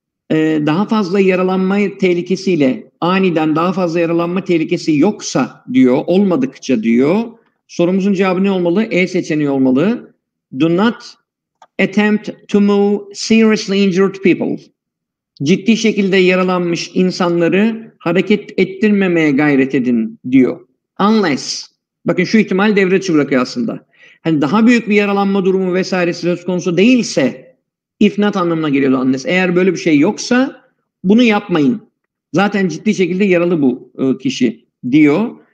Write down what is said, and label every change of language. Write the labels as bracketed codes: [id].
[tr] Daha fazla yaralanma tehlikesiyle, aniden daha fazla yaralanma tehlikesi yoksa diyor, olmadıkça diyor. Sorumuzun cevabı ne olmalı? E seçeneği olmalı. [en] Do not attempt to move seriously injured people. [tr] Ciddi şekilde yaralanmış insanları hareket ettirmemeye gayret edin diyor. Unless, bakın şu ihtimal devre dışı bırakıyor aslında. Hani daha büyük bir yaralanma durumu vesaire söz konusu değilse, [en] if not [tr] anlamına geliyor unless. Eğer böyle bir şey yoksa bunu yapmayın. Zaten ciddi şekilde yaralı bu kişi diyor.